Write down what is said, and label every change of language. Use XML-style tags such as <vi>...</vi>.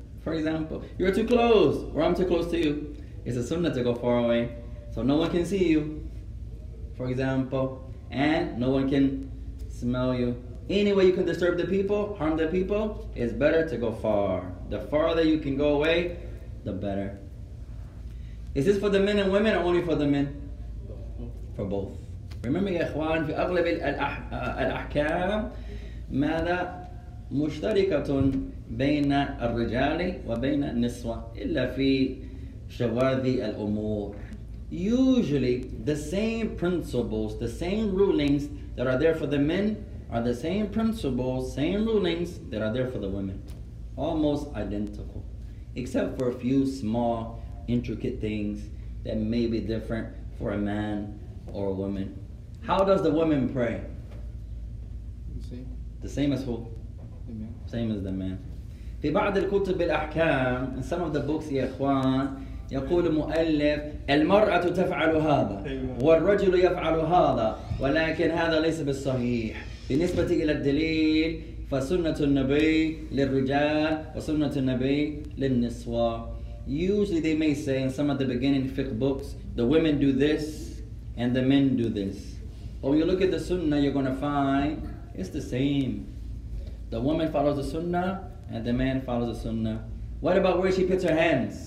<en>For example, you're too close, or I'm too close to you. It's a sunnah to go far away, so no one can see you, for example, and no one can smell you. Any way you can disturb the people, harm the people, it's better to go far. The farther you can go away, the better. Is this for the men and women or only for the men? For both. Remember,</en> <ar>يا إخوان في أغلب الأحكام ماذا مشتركة بين الرجال وبين النسوة إلا في شواذ الأمور.</ar> <en>Usually, the same principles, the same rulings that are there for the men are the same principles, same rulings that are there for the women. Almost identical, except for a few small, intricate things that may be different for a man or a woman. How does the woman pray? The same as the man.</en> <ar>في بعض الكتب الأحكام,</ar> <en>in some of the books,</en> <ar>يا إخوان, يقول مؤلف المرأة تفعل هذا والرجل يفعل هذا ولكن هذا ليس بالصحيح. بالنسبة إلى الدليل. فسنة النبي للرجال وسنة النبي للنسوة.</ar> <en>Usually they may say in some of the beginning fiqh books, the women do this and the men do this. But when you look at the sunnah, you're going to find it's the same. The woman follows the sunnah and the man follows the sunnah. What about where she puts her hands?</en>